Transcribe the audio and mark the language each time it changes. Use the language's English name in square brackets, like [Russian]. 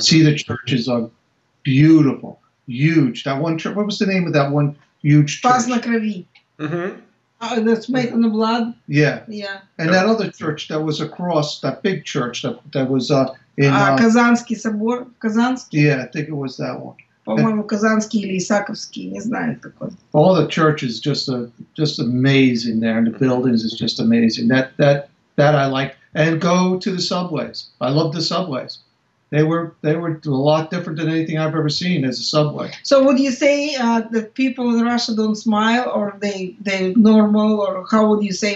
[English] See the churches are beautiful, huge. That one church. What was the name of that one huge church? Spas na Krovi. Mm-hmm. That's made in the blood. Yeah. Yeah. And that other church that was across, that big church that was in. Kazansky Sobor. Kazansky. Yeah, I think it was that one. [Russian] По-моему, Казанский или Исаковский, не знаю, какой. [English] All the churches just amazing there, and the buildings is just amazing. That I like. And go to the subways. I love the subways. They were a lot different than anything I've ever seen as a subway. So would you say that people in Russia don't smile, or they normal, or how would you say?